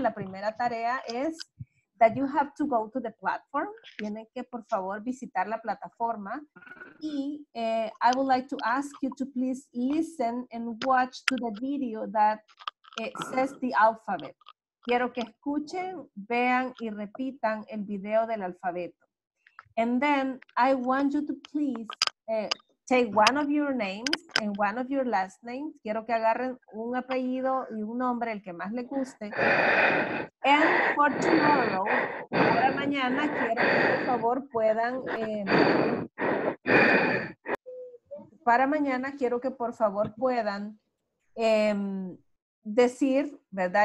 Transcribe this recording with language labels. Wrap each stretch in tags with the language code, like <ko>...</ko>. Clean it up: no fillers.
<es>La primera tarea es</es> <en>that you have to go to the platform.</en> <es>Tienen que, por favor, visitar la plataforma.</es> <en>Y I would like to ask you to please listen and watch to the video that says the alphabet.</en> <es>Quiero que escuchen, vean y repitan el video del alfabeto.</es> <en>And then I want you to please take one of your names and one of your last names.</en> <es>Quiero que agarren un apellido y un nombre, el que más le guste.</es> <en>And for tomorrow,</en> <es>para mañana, quiero que por favor puedan... para mañana, quiero que por favor puedan decir, ¿verdad?</es>